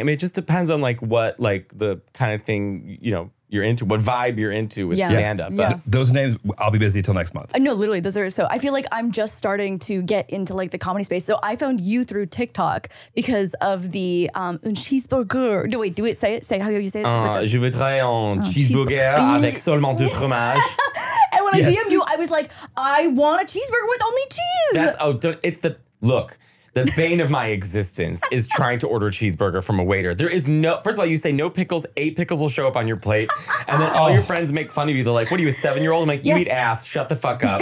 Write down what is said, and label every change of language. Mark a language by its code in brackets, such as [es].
[en] I mean, it just depends on like what, like the kind of thing, you know, you're into, what vibe you're into with stand up. Yeah. Those names, I'll be busy until next month. No, literally, those are so. I feel like I'm just starting to get into like the comedy space. So I found you through TikTok because of the cheeseburger. No, wait, say it. How you say it? [fr] Je voudrais un cheeseburger avec seulement du fromage. [en] And when I DM'd you, I was like, I want a cheeseburger with only cheese. The bane of my existence is trying to order a cheeseburger from a waiter. There is no, first of all, you say no pickles, 8 pickles will show up on your plate. And then all your friends make fun of you. They're like, what are you, a 7-year-old? I'm like, you eat ass, shut the fuck up.